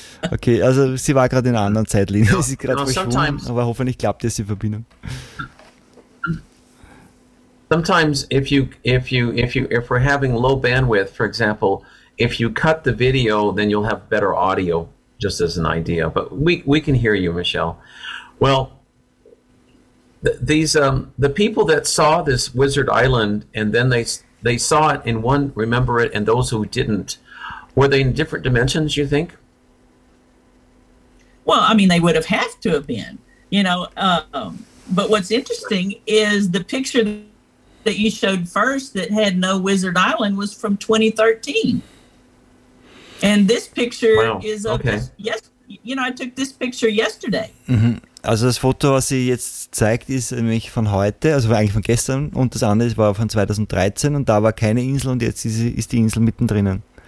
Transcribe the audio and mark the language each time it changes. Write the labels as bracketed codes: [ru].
[de] Okay, also sie war gerade in einer anderen Zeitlinie. Sie ist gerade verschwunden, aber hoffentlich klappt jetzt die Verbindung. [en] Sometimes if we're having low bandwidth, for example, if you cut the video, then you'll have better audio, just as an idea. But we can hear you, Michelle. Well, the people that saw this Wizard Island, and then they saw it in one, remember it, and those who didn't, were they in different dimensions, you think? Well, I mean, they would have had to have been, you know. But what's interesting is the picture that you showed first that had no Wizard Island was from 2013. And this picture is of you know, I took this picture yesterday. Mm-hmm. [de] Also das Foto, was sie jetzt zeigt, ist nämlich von heute, also eigentlich von gestern. Und das andere war von 2013 und da war keine Insel und jetzt ist die Insel mittendrin.